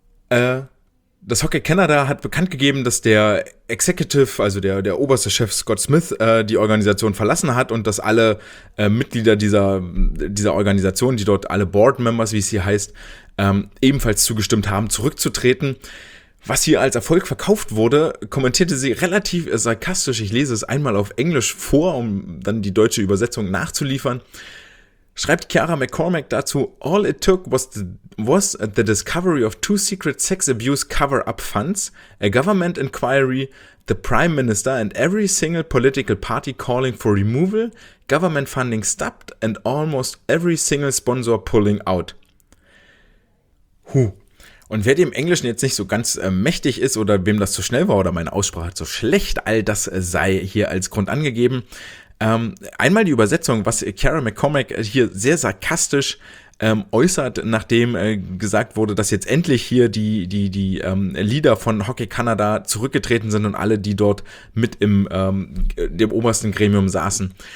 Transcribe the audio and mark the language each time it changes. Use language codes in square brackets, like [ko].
[de] Das Hockey Canada hat bekannt gegeben, dass der Executive, also der oberste Chef Scott Smith, die Organisation verlassen hat und dass alle Mitglieder dieser Organisation, die dort alle Board Members, wie es hier heißt, ebenfalls zugestimmt haben, zurückzutreten. Was hier als Erfolg verkauft wurde, kommentierte sie relativ sarkastisch. Ich lese es einmal auf Englisch vor, um dann die deutsche Übersetzung nachzuliefern. Schreibt Chiara McCormack dazu, [en] all it took was the discovery of two secret sex abuse cover-up funds, a government inquiry, the prime minister and every single political party calling for removal, government funding stopped and almost every single sponsor pulling out. Huh. [de] Und wer dem Englischen jetzt nicht so ganz mächtig ist oder wem das zu schnell war oder meine Aussprache zu schlecht, all das sei hier als Grund angegeben. Einmal die Übersetzung, was Chiara McCormack hier sehr sarkastisch äußert, nachdem gesagt wurde, dass jetzt endlich hier die Leader von Hockey Canada zurückgetreten sind und alle, die dort mit im dem obersten Gremium saßen.